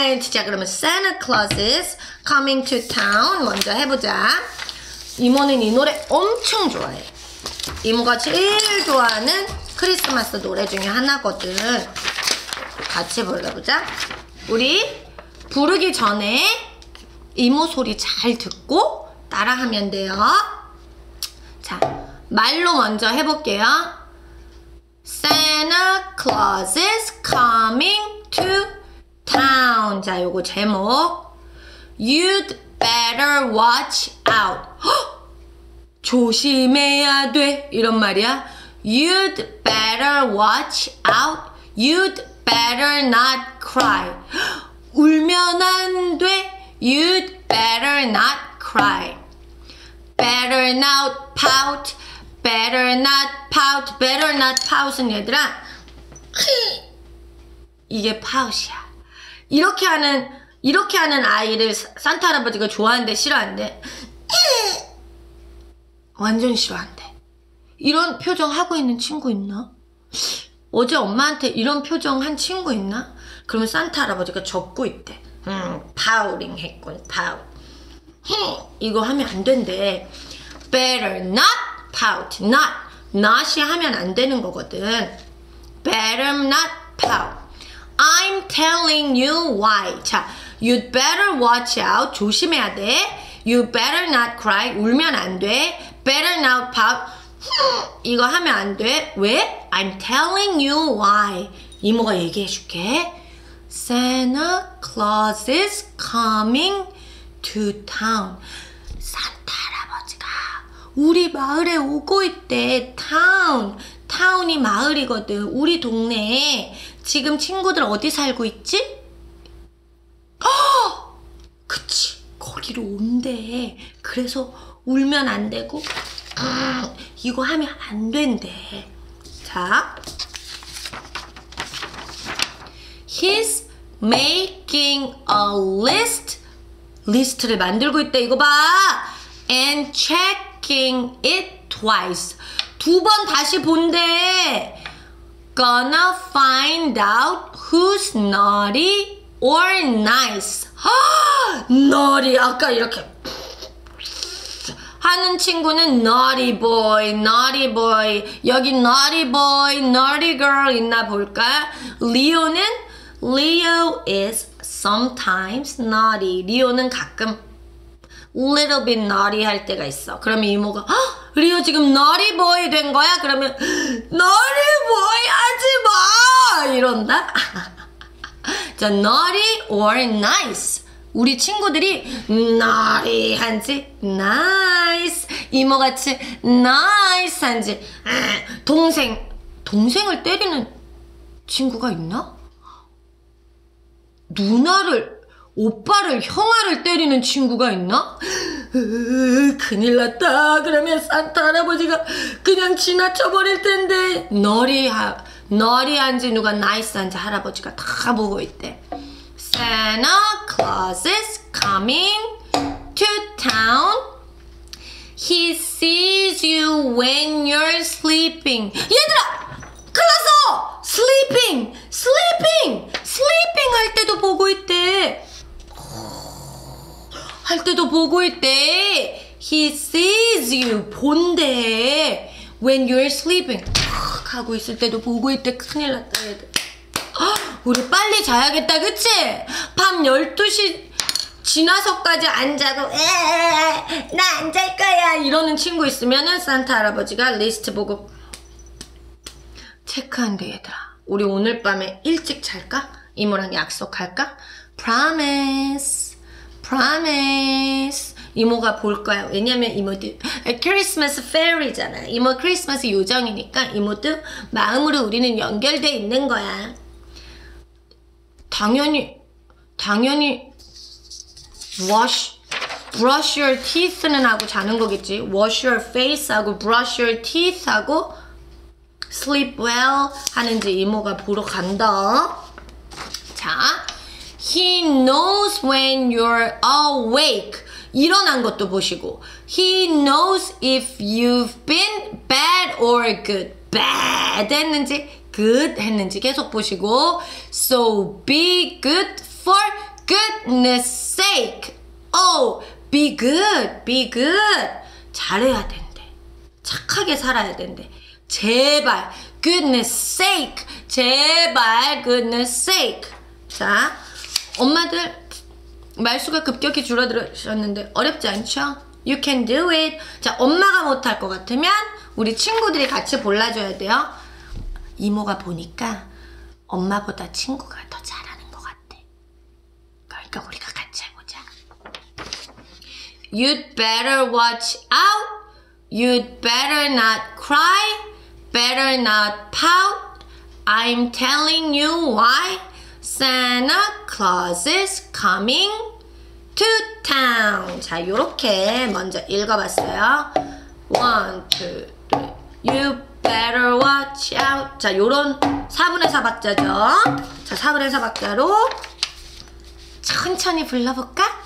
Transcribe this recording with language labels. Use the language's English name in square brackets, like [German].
[Korean] 자 그러면 [English] Santa Claus is coming to town [Korean] 먼저 해보자. 이모는 이 노래 엄청 좋아해. 이모가 제일 좋아하는 크리스마스 노래 중에 하나거든. 같이 불러보자. 우리 부르기 전에 이모 소리 잘 듣고 따라하면 돼요. 자 말로 먼저 해볼게요. [English] Santa Claus is coming to town. [Korean] 자, 요거 제목. [English] You'd better watch out. [Korean] 조심해야 돼. 이런 말이야. [English] You'd better watch out. You'd better not cry. [Korean] 울면 안 돼. [English] You'd better not cry. Better not pout. Better not pout. Better not pout은 [Korean] 얘들아. 이게 pout이야. 이렇게 하는 아이를 산타 할아버지가 좋아한대 싫어한대? 완전 싫어한대. 이런 표정 하고 있는 친구 있나? 어제 엄마한테 이런 표정 한 친구 있나? 그러면 산타 할아버지가 적고 있대. 파울링 했군. 파울. 이거 하면 안 된대. [English] Better not pout. Not. [Korean] Not이 하면 안 되는 거거든. [English] Better not pout. I'm telling you why. 자, you'd better watch out. [Korean] 조심해야 돼. [English] You better not cry. [Korean] 울면 안 돼. [English] Better not pout. [Korean] 이거 하면 안 돼. 왜? [English] I'm telling you why. [Korean] 이모가 얘기해 줄게. [English] Santa Claus is coming to town. [Korean] 산타 할아버지가 우리 마을에 오고 있대. [English] Town. [Korean] Town이 마을이거든. 우리 동네에. 지금 친구들 어디 살고 있지? 허! 그치 거기로 온대. 그래서 울면 안 되고 이거 하면 안 된대. [English] 자 He's making a list. [Korean] 리스트를 만들고 있대. 이거 봐. [English] And checking it twice. [Korean] 두 번 다시 본대. [English] Gonna find out who's naughty or nice. 허! Naughty. [Korean] 아까 이렇게 하는 친구는 naughty boy, naughty boy. 여기 naughty boy, naughty girl 있나 볼까? Leo는? [English] Leo is sometimes naughty. [Korean] Leo는 가끔 [English] little bit naughty [Korean] 할 때가 있어. 그러면 이모가 허! 리오 지금 너리보이 된 거야? 그러면 너리보이 하지 마! 이런다? 자, 너리 or nice. 우리 친구들이 너리 한지 nice, 이모같이 nice 한지 동생, 동생을 때리는 친구가 있나? 누나를, 오빠를, 형아를 때리는 친구가 있나? 큰일 났다. 그러면 산타 할아버지가 그냥 지나쳐버릴 텐데. 너리한지 누가 나이스한지 할아버지가 다 보고 있대. [English] Santa Claus is coming to town. He sees you when you're sleeping. [Korean] 얘들아! 큰일 났어! Sleeping! [English] Sleeping! [Korean] Sleeping 할 때도 보고 있대. 할 때도 보고 있대. [English] He sees you. [Korean] 본대. [English] When you're sleeping. [Korean] 하고 있을 때도 보고 있대. 큰일 났다 얘들. 우리 빨리 자야겠다. 그치? 밤 12시 지나서까지 안 자고 나 안 잘 거야 이러는 친구 있으면은 산타 할아버지가 리스트 보고 체크한대. 얘들아, 우리 오늘 밤에 일찍 잘까? 이모랑 약속할까? Promise. Promise. 이모가 볼 거야. 왜냐면 이모도 크리스마스 페리잖아. 이모 크리스마스 요정이니까 이모도 마음으로 우리는 연결돼 있는 거야. 당연히, 당연히 [English] wash, brush your teeth [Korean] 는 하고 자는 거겠지. [English] Wash your face하고 brush your teeth하고 sleep well [Korean] 하는지 이모가 보러 간다. [English] 자, He knows when you're awake. [Korean] 일어난 것도 보시고. [English] He knows if you've been bad or good. [Korean] Bad 했는지 good 했는지 계속 보시고. [English] So be good for goodness sake. Oh, be good, be good. [Korean] 잘해야 된대. 착하게 살아야 된대. [English] 제발, goodness sake. 제발, goodness sake. [Korean] 자, 엄마들 말수가 급격히 줄어들었는데 어렵지 않죠? [English] You can do it. [Korean] 자, 엄마가 못할 것 같으면 우리 친구들이 같이 골라줘야 돼요. 이모가 보니까 엄마보다 친구가 더 잘하는 것 같아. 그러니까 우리가 같이 해보자. [English] You'd better watch out. You'd better not cry. Better not pout. I'm telling you why. Santa Claus is coming to town. [Korean] 자, 요렇게 먼저 읽어봤어요. [English] One, two, three. You better watch out. [Korean] 자, 요런 4분의 4박자죠. 자, 4분의 4박자로 천천히 불러볼까?